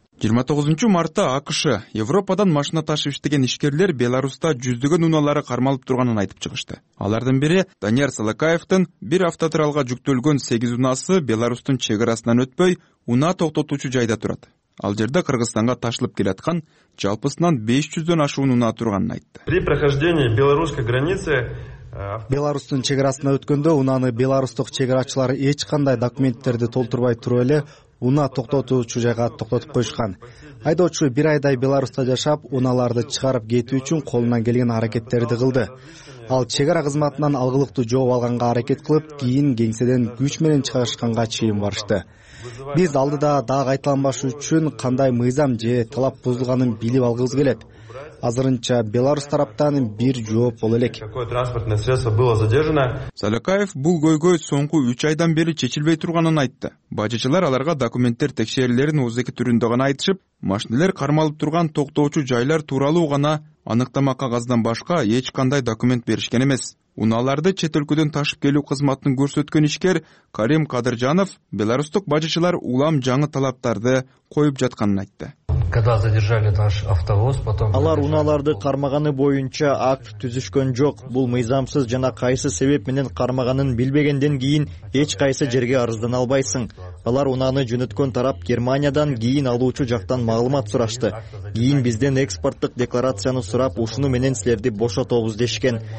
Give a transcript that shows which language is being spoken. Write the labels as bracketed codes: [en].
[ky] 29 мартта АКШ Европадан машина ташып иштеген ишкерлер Беларусьта жүздөгөн унаалары кармалып турганын айтып чыгышты. Алардын бири Данияр Салакаевдин бир автотуралга жүктөлгөн 8 унаасы Беларусьтун чек арасынан өтпөй унаа токтотуучу жайда турат. Ал жерде Кыргызстанга ташылып келаткан жалпысынан 500 ашуун унаа турганын айтты. [ru] При прохождении белорусской границы [ky] Беларусьтун чек арасына өткөндө унааны беларустук чек арачылар эч кандай документтерди толтурбай туруп эле унаа токтотуучу жайга токтотуп коюшкан. Айдоочу бир айдай Беларусьта жашап, унааларды чыгарып кетүү үчүн колунан келген аракеттерди кылды. Ал чек ара кызматынан алгылыкты жооп алганга аракет кылып, кийин кеңседен күч менен чыгарышканга чейин барышты. Биз алдыда дагы кайталанбаш үчүн кандай мыйзам же талап бузулганын билип алгыбыз келет. Азырынча Беларусь тараптан бир жооп боло элек. [ru] Какое транспортное средство было задержано? [ky] Салякаев бул көйгөй соңку 3 айдан бери чечилбей турганын айтты. Бажычылар аларга документтер текшерилерин өз эки түрүндө гана айтышып, машинелер кармалып турган токтоочу жайлар тууралуу гана аныктама кагаздан башка эч кандай документ беришкен эмес. Унааларды чет өлкөдөн ташып келүү кызматын көрсөткөн ишкер Карим Кадыржанов беларустук бажычылар улам жаңы талаптарды коюп жатканын айтты. [ru] Когда задержали наш автовоз, потом [ky] алар унааларды кармаганы боюнча акт түзүшкөн жок. Бул мыйзамсыз жана кайсы себеп менен кармаганын билбегенден кийин эч кайсы жерге арыздана албайсың. Алар унааны жөнөткөн тарап Германиядан кийин алуучу жактан маалымат сурашты. Кийин бизден экспорттук декларацияны сурап, ушуну менен силерди бошотобуз дешкен.